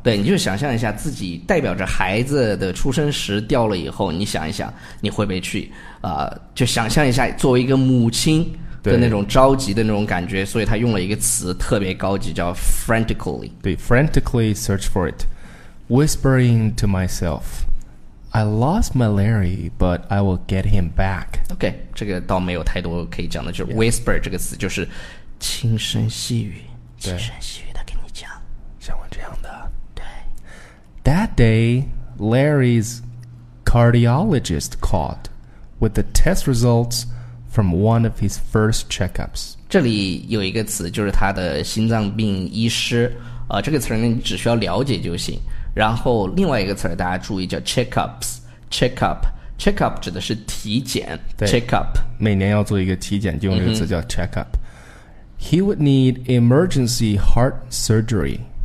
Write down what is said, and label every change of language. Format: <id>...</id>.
<zh>对，你就想象一下自己代表着孩子的出生时掉了以后，你想一想你会不会去就想象一下作为一个母亲的那种着急的那种感觉，所以他用了一个词特别高级，叫 frantically。</zh> <en>对 ，frantically search for it， whispering to myself。 I lost my Larry, but I will get him back.</en> <zh>OK, 这个倒没有太多可以讲的，就是 whisper 这个词就是轻声细语，轻声细语的跟你讲，像我这样的。对。</zh> <en>That day, Larry's cardiologist called with the test results from one of his first checkups.</en> <zh>这里有一个词就是他的心脏病医师，这个词呢你只需要了解就行。然后另外一个词大家注意叫 checkups，checkup 指的是体检。对</zh> <en>，checkup</en> <zh>每年要做一个体检，就用这个词叫 checkup。</zh> <en>He would need emergency heart surgery.</en>